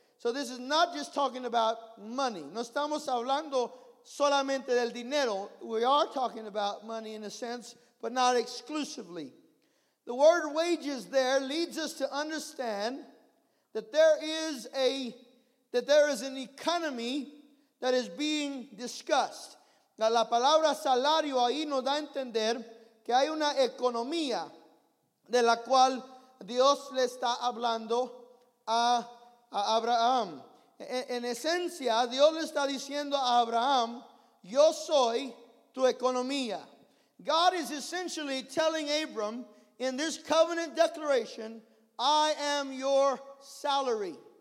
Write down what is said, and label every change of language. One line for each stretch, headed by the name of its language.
English: So this is not just talking about money.
Spanish: No estamos hablando solamente del dinero.
English: We are talking about money in a sense, but not exclusively. The word wages there leads us to understand that there is an economy that is being discussed. Now,
Spanish: la palabra salario ahí nos da a entender que hay una economía de la cual Dios le está hablando a Abraham. En esencia, Dios le está diciendo a Abraham, yo soy tu economía.
English: God is essentially telling Abram in this covenant declaration, I am your salary.